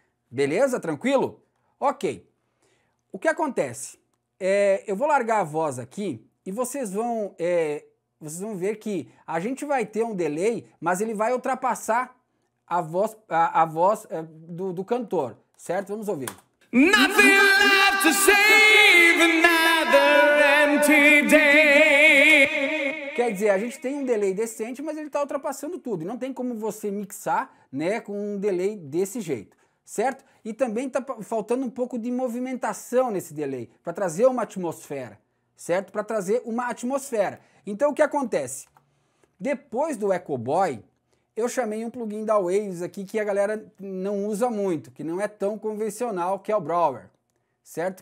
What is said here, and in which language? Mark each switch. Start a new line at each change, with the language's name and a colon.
Portuguese: Beleza? Tranquilo? Ok. O que acontece? Eu vou largar a voz aqui e vocês vão ver que a gente vai ter um delay, mas ele vai ultrapassar a voz do cantor, certo? Vamos ouvir.
English: Nothing left to save, another empty day.
Portuguese: Quer dizer, a gente tem um delay decente, mas ele está ultrapassando tudo. Não tem como você mixar, né, com um delay desse jeito, certo? E também está faltando um pouco de movimentação nesse delay, para trazer uma atmosfera, certo? Para trazer uma atmosfera. Então, o que acontece? Depois do Echo Boy, eu chamei um plugin da Waves aqui que a galera não usa muito, que não é tão convencional, que é o Brower, certo?